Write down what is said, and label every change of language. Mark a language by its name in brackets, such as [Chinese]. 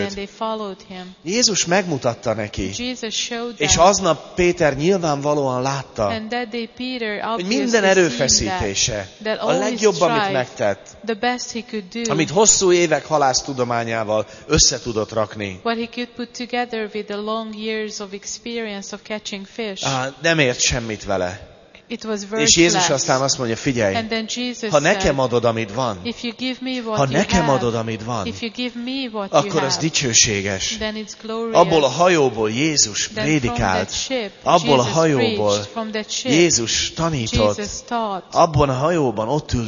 [English] And they followed him. [Hungarian] Jézus megmutatta neki, [English] Jesus showed them, [Hungarian] és aznap Péter nyilvánvalóan látta, [English] and that day Peter obviously [Hungarian] hogy minden erőfeszítése, [English] that [Hungarian] a legjobb, [English] strive, [Hungarian] amit megtett, [English] the best he could do, [Hungarian] amit hosszú évek halász tudományával össze tudott rakni, [English] what he could put together with the long years of experience of catching fish, [Hungarian] nem ért semmit vele. [English] It was very [Hungarian] és Jézus aztán azt mondja, figyelj, [English] and then Jesus [Hungarian] ha nekem adod, amit van, [English] if you give me what [Hungarian] ha nekem [English] you have, [Hungarian] adod, amit van, [English] if you give me what [Hungarian] akkor [English] you have, [Hungarian] az dicsőséges. [English] Then it's glorious. [Hungarian] Abból a hajóból Jézus prédikált, abból a hajóból Jézus tanított, abban a hajóban ott ült